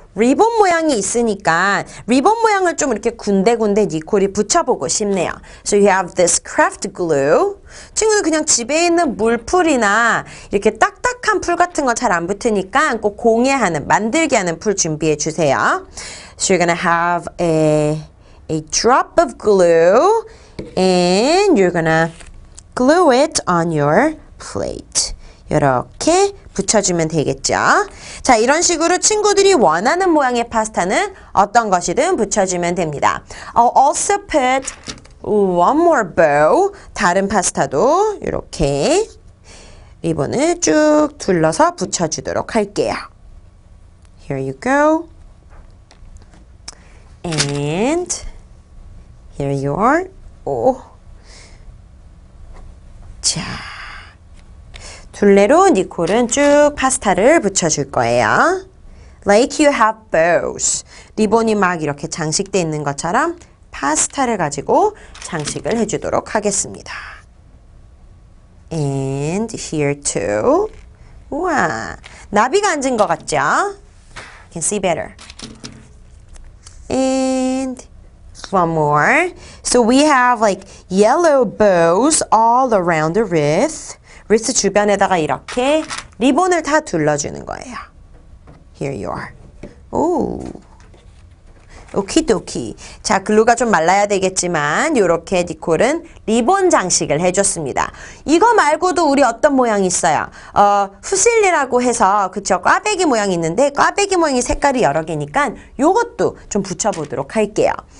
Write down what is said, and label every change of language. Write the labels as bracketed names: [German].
[Korean] 리본 모양이 있으니까 리본 모양을 좀 이렇게 군데군데 니콜이 붙여보고 싶네요. [English] So you have this craft glue. [Korean] 친구는 그냥 집에 있는 물풀이나 이렇게 딱딱한 풀 같은 거 잘 안 붙으니까 꼭 공예하는, 만들게 하는 풀 준비해 주세요. [English] So you're gonna have a drop of glue and you're gonna glue it on your plate. [Korean] 이렇게 붙여주면 되겠죠. 자, 이런 식으로 친구들이 원하는 모양의 파스타는 어떤 것이든 붙여주면 됩니다. [English] I'll also put one more bow. [Korean] 다른 파스타도 이렇게 리본을 쭉 둘러서 붙여주도록 할게요. [English] Here you go. And here you are. 오. [Korean] 자. 둘레로 니콜은 쭉 파스타를 붙여줄 거예요. [English] Like you have bows. [Korean] 리본이 막 이렇게 장식되어 있는 것처럼 파스타를 가지고 장식을 해주도록 하겠습니다. [English] And here too. [Korean] 우와, 나비가 앉은 것 같죠? [English] Can see better. And one more. So we have like yellow bows all around the wreath. [Korean] 리스 주변에다가 이렇게 리본을 다 둘러주는 거예요. [English] Here you are. 오. 오키도키. [Korean] 자, 글루가 좀 말라야 되겠지만 이렇게 니콜은 리본 장식을 해줬습니다. 이거 말고도 우리 어떤 모양이 있어요? 후실리라고 해서 그쵸, 꽈배기 모양이 있는데 꽈배기 모양이 색깔이 여러 개니까 이것도 좀 붙여보도록 할게요.